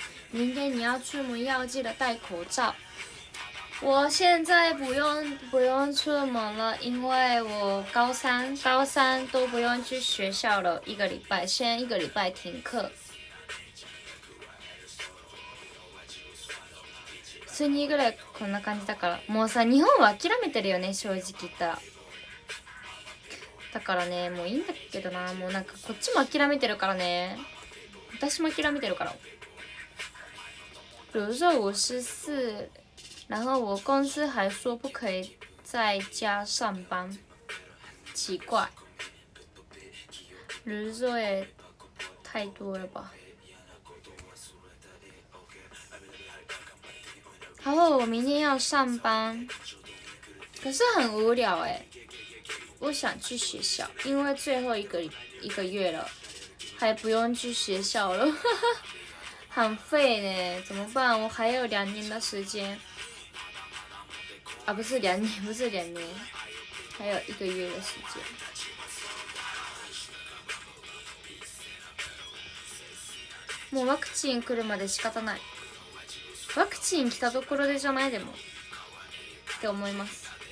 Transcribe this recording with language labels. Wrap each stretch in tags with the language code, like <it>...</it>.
<zh>明天你要出门要记得戴口罩。我现在不用出门了，因为我高三都不用去学校了，一个礼拜，先一个礼拜停课。</zh> <ja>普通にぐらいこんな感じだから、もうさ、日本は諦めてるよね、正直言ったら。だからね、もういいんだけどな、もうなんかこっちも諦めてるからね、私も諦めてるから。</ja> <zh>留着五十四，然后我公司还说不可以在家上班，奇怪，留着也太多了吧。然后我明天要上班，可是很无聊哎。我想去学校，因为最后一个月了，还不用去学校了，很废呢。怎么办？我还有两年的时间。啊，不是两年，不是两年，还有一个月的时间。</zh> <ja>もうワクチン来るまで仕方ない。ワクチン来たところでじゃないでもって思います。</ja>